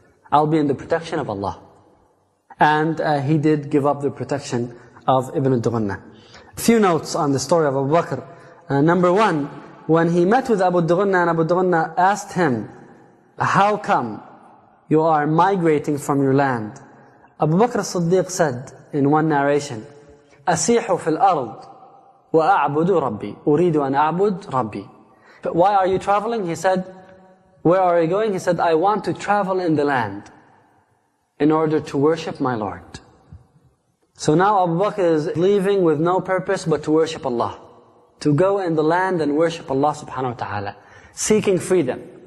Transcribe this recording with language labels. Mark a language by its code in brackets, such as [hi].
[en] I'll be in the protection of Allah." And he did give up the protection of Ibn Dughanna. A few notes on the story of Abu Bakr. Number one, when he met with Abu Dughanna and Abu Dughanna asked him, "How come you are migrating from your land?" Abu Bakr as-Siddiq said in one narration, [ar] "أَسِيحُ فِي الْأَرْضِ وَأَعْبُدُ رَبِّي أُرِيدُ أَنْ أَعْبُدْ رَبِّي." [en] But why are you traveling? He said, "Where are you going?" He said, "I want to travel in the land in order to worship my Lord." So now Abu Bakr is leaving with no purpose but to worship Allah. To go in the land and worship Allah subhanahu wa ta'ala. Seeking freedom.